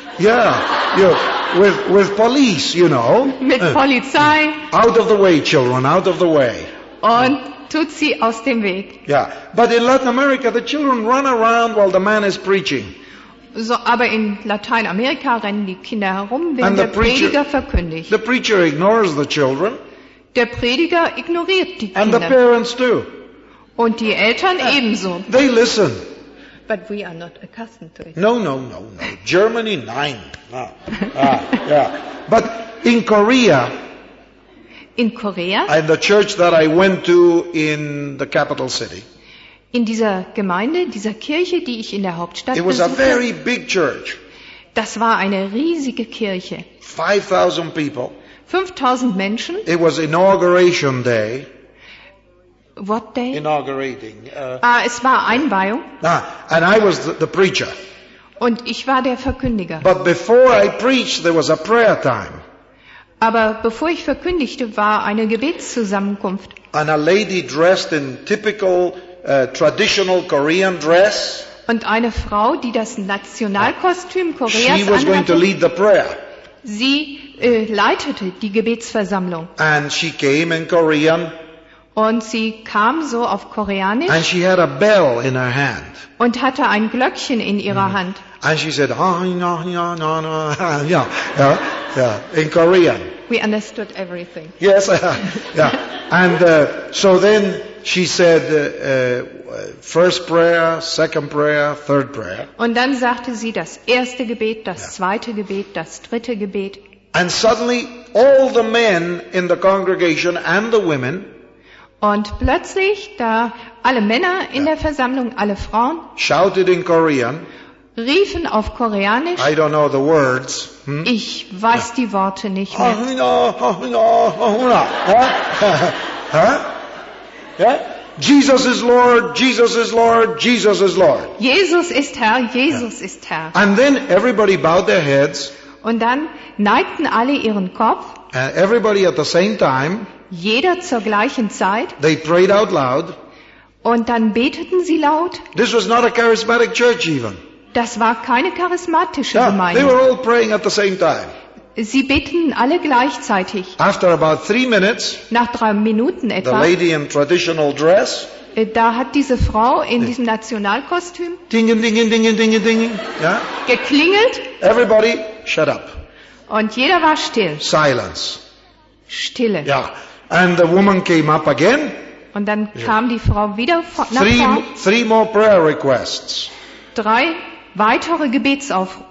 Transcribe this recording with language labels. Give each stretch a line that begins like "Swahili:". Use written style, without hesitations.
English: Yeah, with police, you know.
German: Mit Polizei.
English: Out of the way, children, out of the way.
German: Und tut sie aus dem Weg.
English: Yeah, but in Latin America, the children run around while the man is preaching.
German: So, aber in Lateinamerika rennen die Kinder herum, während der Prediger verkündigt.
English: The preacher ignores the children.
German: Der Prediger ignoriert die Kinder.
English: And the parents do.
German: Und die Eltern ebenso.
English: They listen. But we are not accustomed to it. No. Germany,
German: nein.
English: But in Korea.
German: In Korea.
English: In the church that I went to in the capital city.
German: In dieser Gemeinde, dieser Kirche, die ich in der Hauptstadt besuchte.
English: It was a very big church.
German: Das war eine riesige Kirche.
English: 5,000 people.
German: 5,000 Menschen.
English: It was inauguration day. What day? Inaugurating.
German: Es war Einweihung.
English: And I was the preacher.
German: Und ich war der Verkündiger.
English: But before I preached, there was a prayer time.
German: Aber bevor ich verkündigte, war eine Gebetszusammenkunft.
English: And a lady dressed in typical traditional Korean dress.
German: Und eine Frau, die das Nationalkostüm Koreas anhatte.
English: She was going to lead the prayer.
German: Sie leitete die Gebetsversammlung.
English: And she came in Korean.
German: Und sie kam so auf Koreanisch.
English: And she had a bell in her hand.
German: Und hatte ein Glöckchen in ihrer Hand.
English: And she said, "Ah, oh, ja, ja, ja, ja, ja, ja, ja," in Korean. We understood everything. Yes, yeah. And so then she said, first prayer, second prayer, third prayer.
German: Und dann sagte sie das erste Gebet, das zweite Gebet, das dritte Gebet.
English: And suddenly all the men in the congregation and the women.
German: Und plötzlich, da alle Männer in der Versammlung, alle Frauen,
English: shouted in Korean,
German: riefen auf Koreanisch,
English: I don't know the words,
German: ich weiß die Worte nicht mehr.
English: Oh, no, oh, no, oh, no. Jesus is Lord, Jesus is Lord, Jesus is Lord.
German: Jesus ist Herr, Jesus ist Herr.
English: And then everybody bowed their heads.
German: Und dann neigten alle ihren Kopf.
English: Everybody at the same time.
German: Jeder zur gleichen Zeit.
English: They prayed out loud.
German: Und dann beteten sie laut.
English: This was not a charismatic church even.
German: Das war keine charismatische Gemeinde.
English: They were all praying at the same time.
German: Sie beteten alle gleichzeitig.
English: After about 3 minutes,
German: nach 3 Minuten etwa,
English: the lady in traditional dress,
German: da hat diese Frau in diesem Nationalkostüm geklingelt.
English: Everybody, shut up.
German: Und jeder war still.
English: Silence.
German: Stille.
English: Yeah. And the woman came up again.
German: Und dann kam die Frau wieder nach vorne.
English: Three more prayer requests.
German: Drei weitere Gebetsaufrufe.